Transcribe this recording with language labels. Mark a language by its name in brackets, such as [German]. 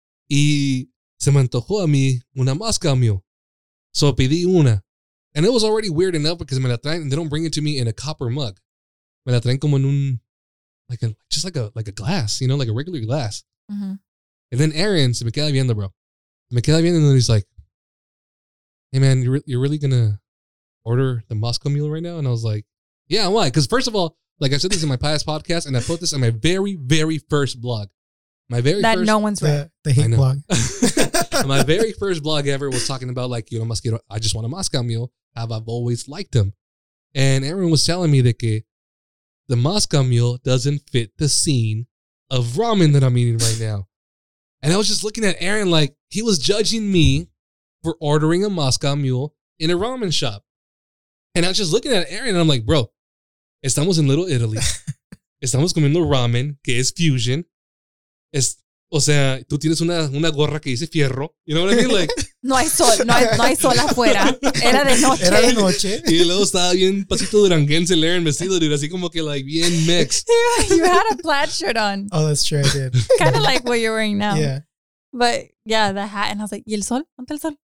[Spanish] Y se me antojó a mí una mosca mío. [English] So [Spanish] pedí una. [English] And it was already weird enough because [Spanish] me la traen, [English] they don't bring it to me in a copper mug. [Spanish] Me la traen como en un, [English] like a, just like a glass, you know, like a regular glass. Mm-hmm. And then [Spanish] Aaron, se me queda viendo, bro. Me queda viendo, [English] and then he's like, hey, man, you're really going to order the Moscow Mule right now? And I was like, yeah, why? Because first of all, like I said this in my past podcast, and I put this on my very, very first blog. My very that first. That no one's read. The hate blog. My very first blog ever was talking about like, you know, mosquito, I just want a Moscow Mule. I've always liked them. And everyone was telling me that the Moscow Mule doesn't fit the scene of ramen that I'm eating right now. And I was just looking at Aaron like he was judging me for ordering a Moscow Mule in a ramen shop. And I was just looking at Aaron and I'm like, bro, estamos in Little Italy. [Spanish] Estamos comiendo ramen, que es fusion. O sea, tú tienes una gorra que dice fierro. [English] You know what I mean? Like, [Spanish] no hay sol, no hay sol afuera. Era de noche. Era de noche. Y luego estaba bien pasito duranguense, Laren vestido, dude. Así como que, like, bien mix. [English] You had a plaid shirt on. Oh, that's true, I did. Kind of like what you're wearing now. Yeah. But, yeah, the hat. And I was like, [Spanish] ¿y el sol? ¿Dónde el sol?